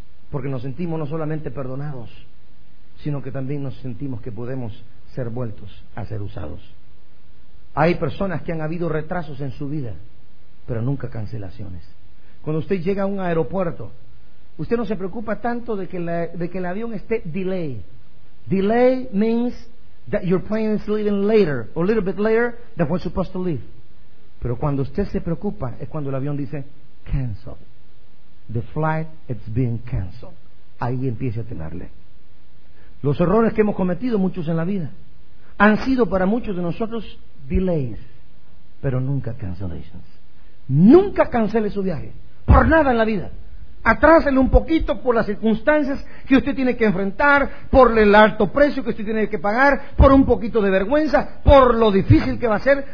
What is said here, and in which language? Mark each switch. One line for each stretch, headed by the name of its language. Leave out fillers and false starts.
Spanish: Porque nos sentimos no solamente perdonados, sino que también nos sentimos que podemos ser vueltos a ser usados. Hay personas que han habido retrasos en su vida, pero nunca cancelaciones. Cuando usted llega a un aeropuerto, usted no se preocupa tanto de que el avión esté delay.
English: Delay means that your plane is leaving later, or a little bit later than what's supposed to leave.
Spanish: Pero cuando usted se preocupa es cuando el avión dice cancel.
English: The flight is being canceled.
Spanish: Ahí empieza a tenerle. Los errores que hemos cometido muchos en la vida han sido para muchos de nosotros delays, pero nunca cancellations. Nunca cancele su viaje, por nada en la vida. Atrásele un poquito por las circunstancias que usted tiene que enfrentar, por el alto precio que usted tiene que pagar, por un poquito de vergüenza, por lo difícil que va a ser.